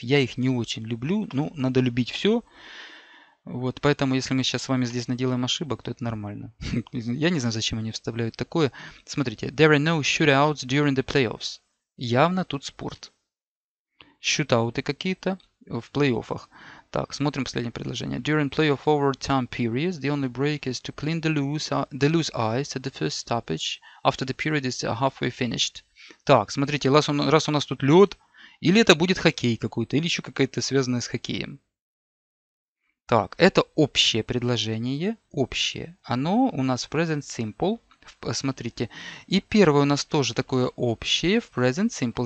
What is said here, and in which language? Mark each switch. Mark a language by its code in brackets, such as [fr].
[ru] Я их не очень люблю. Ну, надо любить все. Вот, поэтому, если мы сейчас с вами здесь наделаем ошибок, то это нормально. Я не знаю, зачем они вставляют такое. Смотрите. [en] There are no shootouts during the playoffs. [ru] Явно тут спорт. Шутауты какие-то в плей-оффах. Так, смотрим последнее предложение. [en] During playoff overtime periods, the only break is to clean the loose ice at the first stoppage after the period is halfway finished. [ru] Так, смотрите, раз у нас тут лед, или это будет хоккей какой-то, или еще какая-то связанная с хоккеем. Так, это общее предложение, общее. Оно у нас в present simple, смотрите. И первое у нас тоже такое общее в present simple.